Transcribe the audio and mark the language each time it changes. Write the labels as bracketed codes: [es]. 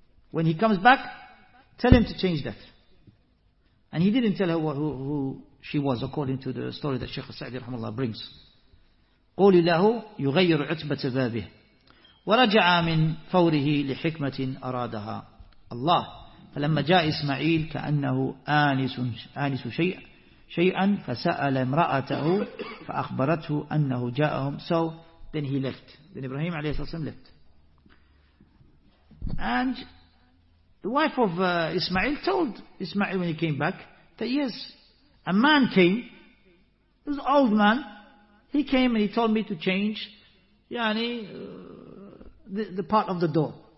[en] When he comes back, tell him to change that. And he didn't tell her who she was, according to the story that Shaykh Sa'di rahimahullah brings. [ar] قولي له يغير عتبة بابه. ورجع من فوره لحكمة أرادها الله. فلما جاء إسماعيل كأنه آنس شيئا فسأل امرأته فأخبرته أنه جاءهم. [en] So then he left. Then Ibrahim عليه الصلاة والسلام left. And The wife of Ismail told Ismail when he came back that yes, a man came. It was an old man. He came and he told me to change the part of the door.